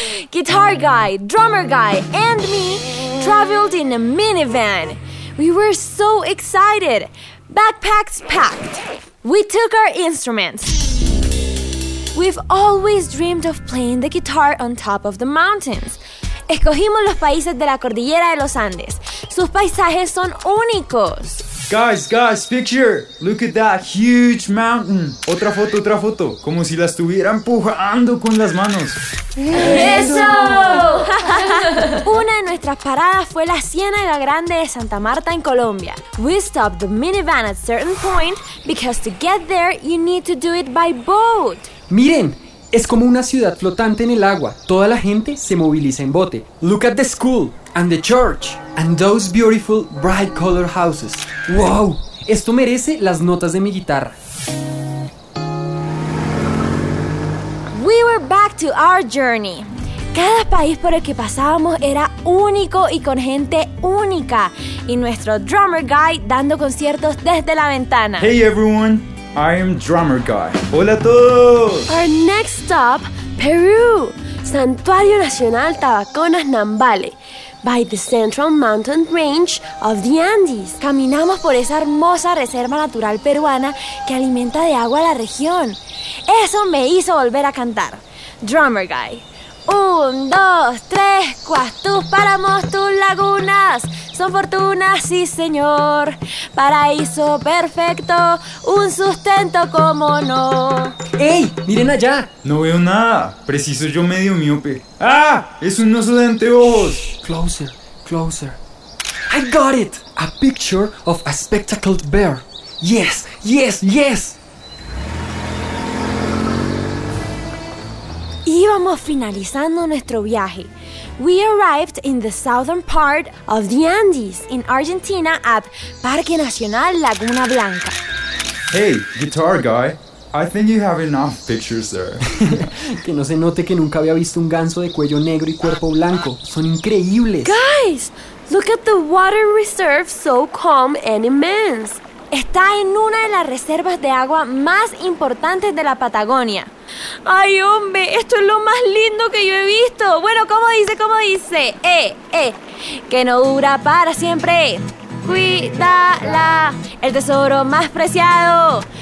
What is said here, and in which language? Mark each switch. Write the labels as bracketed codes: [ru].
[en] Guitar guy, drummer guy, and me traveled in a minivan. We were so excited. Backpacks packed. We took our instruments. We've always dreamed of playing the guitar on top of the mountains. [es] Escogimos los países de la cordillera de los Andes. Sus paisajes son únicos. [en] Guys, picture. Look at that huge mountain. [es] Otra foto. Como si la estuviera empujando con las manos. ¡Eso! Una de nuestras paradas fue la Ciénaga Grande de Santa Marta en Colombia. [en] We stopped the minivan at certain point because to get there you need to do it by boat. [es] Miren, es como una ciudad flotante en el agua. Toda la gente se moviliza en bote. [en] Look at the school and the church and those beautiful bright color houses. [es] ¡Wow! Esto merece las notas de mi guitarra. [en] We were back to our journey. [es] Cada país por el que pasábamos era único y con gente única. Y nuestro drummer guy dando conciertos desde la ventana. [en] Hey everyone, I am drummer guy. [es] ¡Hola a todos! [en] Our next stop, Peru. Santuario Nacional Tabaconas Nambale. By the central mountain range of the Andes. [es] Caminamos por esa hermosa reserva natural peruana que alimenta de agua a la región. Eso me hizo volver a cantar. Drummer Guy. 1, 2, 3, 4. Tus páramos, tus lagunas son fortunas, sí señor. Paraíso perfecto, un sustento, cómo no. ¡Ey! ¡Miren allá! No veo nada, preciso yo medio miope. ¡Ah! ¡Es un oso de anteojos! [en] Closer, closer. I got it! A picture of a spectacled bear. Yes, yes, yes! [es] Íbamos finalizando nuestro viaje. [en] We arrived in the southern part of the Andes in Argentina at Parque Nacional Laguna Blanca. Hey, guitar guy, I think you have enough pictures there. [es] Que no se note que nunca había visto un ganso de cuello negro y cuerpo blanco. Son increíbles. Guys, look at the water reserve, so calm and immense. Está en una de las reservas de agua más importantes de la Patagonia. ¡Ay, hombre! ¡Esto es lo más lindo que yo he visto! Bueno, ¿cómo dice? ¿Cómo dice? Que no dura para siempre. Cuídala, el tesoro más preciado.